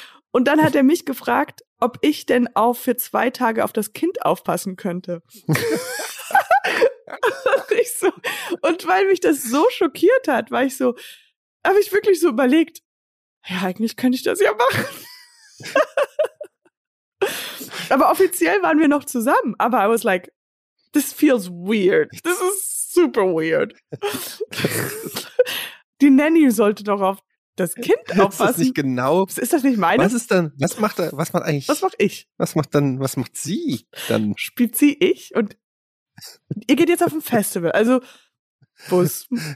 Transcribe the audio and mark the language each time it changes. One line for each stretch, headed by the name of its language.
German: Und dann hat er mich gefragt, ob ich denn auch für 2 Tage auf das Kind aufpassen könnte. Und weil mich das so schockiert hat, war ich so, habe ich wirklich so überlegt, ja, eigentlich könnte ich das ja machen. Aber offiziell waren wir noch zusammen. Aber
English: I was like, this feels weird. This is super weird.
German: Die Nanny sollte doch auf das Kind aufpassen. Ist das nicht genau? Ist das nicht meine? Was ist denn, was macht eigentlich? Was mache ich? Was macht sie dann? Spielt sie ich? Und ihr geht jetzt auf ein Festival. Also, Bus.